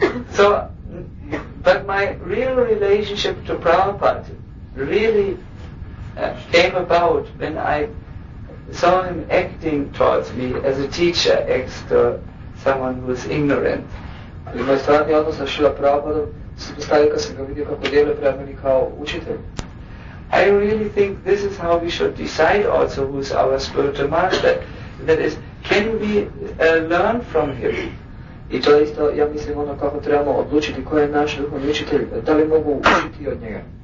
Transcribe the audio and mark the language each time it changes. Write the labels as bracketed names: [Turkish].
[English] So, but my real relationship to Prabhupada really came about when I saw him acting towards me as a teacher acts to someone who is ignorant. [Bosnian] Ali moj stvarni odnos sa Šila Prabhupada suprostavio kad sam ga vidio kako djeluje prema meni kao učitelj. [English] I really think this is how we should decide also who is our spiritual master. That is, can we learn from him? [Bosnian] I to je isto, ja mislim ono kako trebamo odlučiti ko je naš duhovni učitelj, da li mogu učiti od njega.